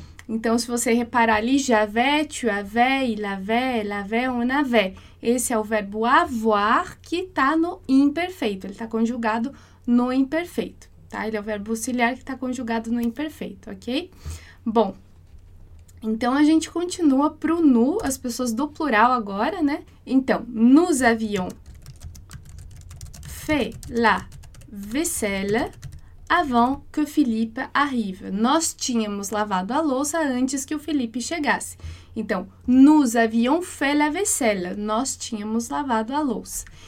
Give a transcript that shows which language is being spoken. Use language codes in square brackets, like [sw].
[pt] Então, se você reparar ali, [fr] j'avais, tu avais, il avait, elle avait, on avait. [pt] Esse é o verbo avoir que está no imperfeito. Ele está conjugado no imperfeito, tá? Ele é o verbo auxiliar que está conjugado no imperfeito, ok? Bom... Então, a gente continua para o nu, as pessoas do plural agora, né? [fr] Então, nous avions fait la vaisselle avant que Philippe arrive. [pt] Nós tínhamos lavado a louça antes que o Felipe chegasse. [fr] Então, nous avions fait la vaisselle. [pt] Nós tínhamos lavado a louça.